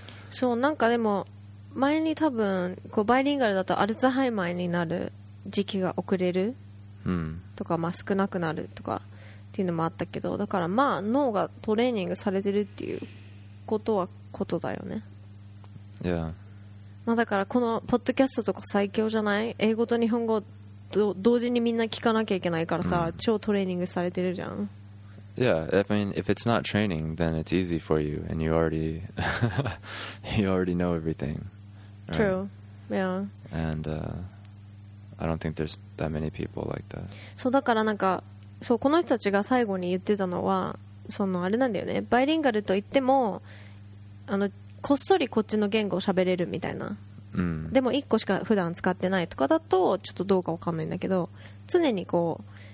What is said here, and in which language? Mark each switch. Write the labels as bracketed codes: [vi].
[ja] そう、なんかでも前に多分こうバイリンガルだとアルツハイマーになる時期が遅れるとか、まあ少なくなるとかっていうのもあったけど、だからまあ脳がトレーニングされてるっていうことはことだよね。 [en] Yeah. [ja] まあだからこのポッドキャストとか最強じゃない？英語と日本語同時にみんな聞かなきゃいけないからさ、超トレーニングされてるじゃん。 [en] Yeah, I mean, if it's not training, then it's easy for you, and you already you already know everything. Right? True, yeah. And I don't think there's that many people like that. [ja] So, だからなんか、そう、この人たちが最後に言ってたのは、そのあれなんだよね。バイリンガルと言っても、あのこっそりこっちの言語を喋れるみたいな。でも一個しか普段使ってないとかだとちょっとどうかわかんないんだけど、常にこう。